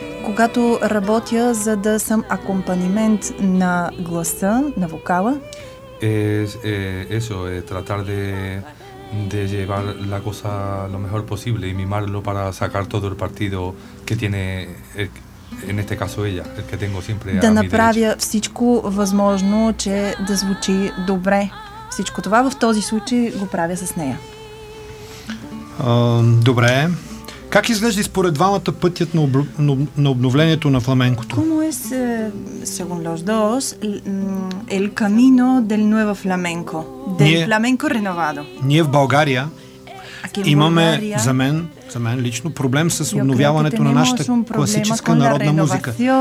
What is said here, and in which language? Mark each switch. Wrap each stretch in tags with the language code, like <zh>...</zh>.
<bg>Когато работя, за да съм акомпанимент на гласа, на вокала.</bg> <es>Eso, tratar de llevar la cosa lo mejor posible y mimarlo para sacar todo el partido que tiene. En este caso ella, el que tengo siempre</es> <bg>да направя всичко възможно, че да звучи добре. Всичко това в този случай го правя с нея. Добре. Как изглежда според двамата пътят на обновлението на фламенкото?</bg> <es>Como es, según los dos, el camino del nuevo flamenco, del flamenco renovado.</es> <bg>Ние в България имаме за мен лично проблем с обновяването на нашата класическа народна музика.</bg>